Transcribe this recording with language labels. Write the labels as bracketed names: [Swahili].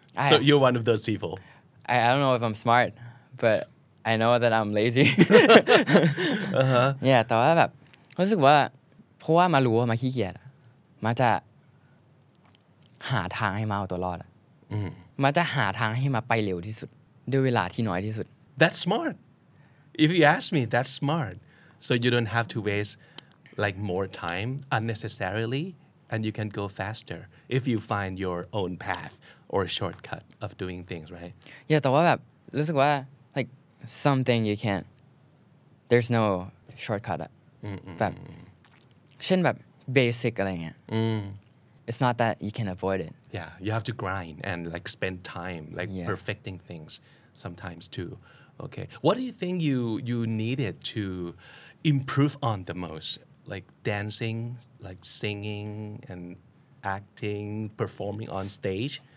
[English] So you're one of those people. I don't know if I'm smart, but I know that I'm lazy. Yeah, but I feel like because I know I'm lazy, I'm lazy. I'm gonna find a way to get out of it. [Thai] มันจะหาทางให้มาไปเร็วที่สุดด้วยเวลาที่น้อยที่สุด [English] That's smart If you ask me that's smart so you don't have to waste like more time unnecessarily and you can go faster if you find your own path or shortcut of doing things right Yeah [Thai] แต่ว่าแบบรู้สึกว่า [English] like something you can't there's no shortcut [Thai] อ่ะแบบเช่นแบบ [English] basic [Thai] อะไรเงี้ย [English] It's not that you can avoid it. Yeah, you have to grind and like spend time like yeah. perfecting things sometimes too. Okay. What do you think you needed to improve on the most? Like dancing, like singing and acting, performing on stage?